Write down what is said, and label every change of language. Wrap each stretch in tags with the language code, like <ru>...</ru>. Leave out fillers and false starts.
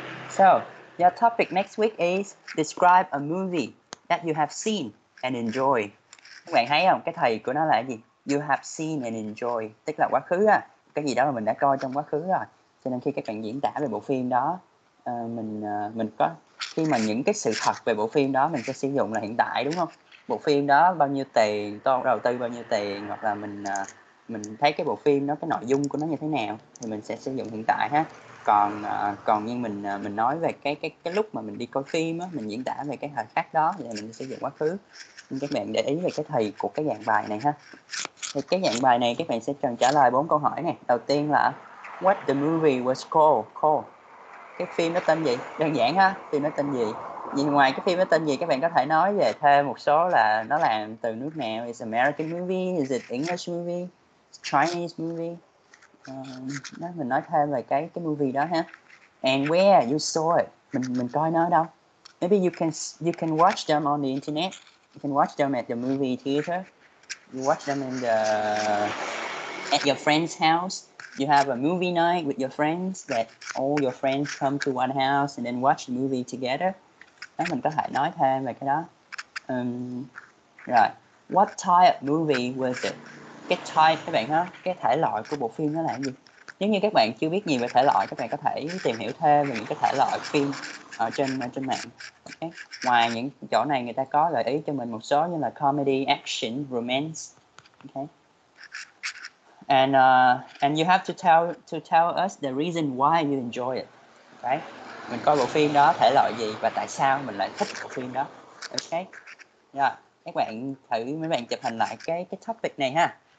<en>So, your topic next week is describe a movie that you have seen and enjoy.</en> <vi>Các bạn thấy không? Cái thầy của nó là cái gì?</vi> <en>You have seen and enjoy.</en> <vi>Tức là quá khứ á. Cái gì đó mà mình đã coi trong quá khứ rồi. Cho nên khi các bạn diễn tả về bộ phim đó, mình có, khi mà những cái sự thật về bộ phim đó mình sẽ sử dụng là hiện tại, đúng không? Bộ phim đó bao nhiêu tiền, tôi đầu tư bao nhiêu tiền, hoặc là mình thấy cái bộ phim đó, cái nội dung của nó như thế nào, thì mình sẽ sử dụng hiện tại ha. Còn như mình nói về cái lúc mà mình đi coi phim á, mình diễn tả về cái thời khắc đó thì mình sử dụng quá khứ. Nhưng các bạn để ý về cái thì của cái dạng bài này ha. Thì cái dạng bài này các bạn sẽ cần trả lời 4 câu hỏi này. Đầu tiên là</vi> <en>what the movie was called.</en> <vi>Cái phim nó tên gì? Đơn giản ha, phim nó tên gì? Vì ngoài cái phim nó tên gì, các bạn có thể nói về thêm một số là nó làm từ nước nào.</vi> <en>Is American movie? Is it English movie? Chinese movie?</en> <vi>Mình nói thêm về cái movie đó ha.</vi> <en>And where you saw it?</en> <vi>Mình coi nó ở đâu?</vi> <en>Maybe you can watch them on the internet. You can watch them at the movie theater. You watch them in the at your friend's house. You have a movie night with your friends that all your friends come to one house and then watch the movie together.</en> <vi>Em mình có thể nói thêm về cái đó. Right.</vi> <en>What type of movie was it?</en> <vi>Cái type các bạn ha, cái thể loại của bộ phim đó là gì? Nếu như các bạn chưa biết nhiều về thể loại, các bạn có thể tìm hiểu thêm về những cái thể loại phim ở trên mạng. Okay. Ngoài những chỗ này, người ta có gợi ý cho mình một số như là comedy, action, romance.</vi> <en>Okay. And you have to tell us the reason why you enjoy it. Okay.</en> <vi>Mình coi bộ phim đó thể loại gì và tại sao mình lại thích bộ phim đó. Okay. Rồi, các bạn thử mấy bạn chụp hình lại cái topic này ha.</vi>